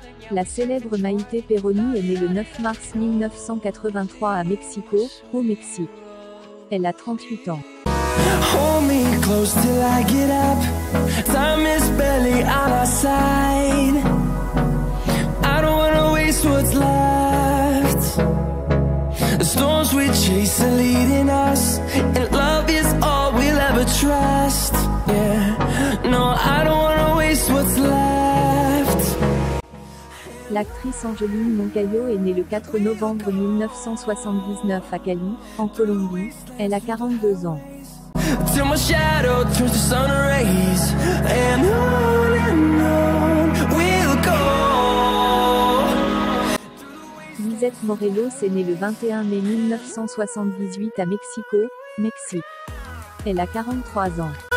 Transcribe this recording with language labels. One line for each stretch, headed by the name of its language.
French: La célèbre Maïté Perroni est née le 9 mars 1983 à Mexico, au Mexique. Elle a 38 ans.
English: Hold me close till I get up. Time is barely on our side. I don't wanna waste what's left. The storms we chase are leading us, and love is all we'll ever trust. Yeah, no, I don't wanna waste what's left.
French: L'actrice Angeline Moncayo est née le 4 novembre 1979 à Cali, en Colombie. Elle a 42 ans.
English: Till my shadow turns to sun rays, and on we'll go.
French: Lisette Morelos est née le 21 mai 1978 à Mexico, Mexique. Elle a 43 ans.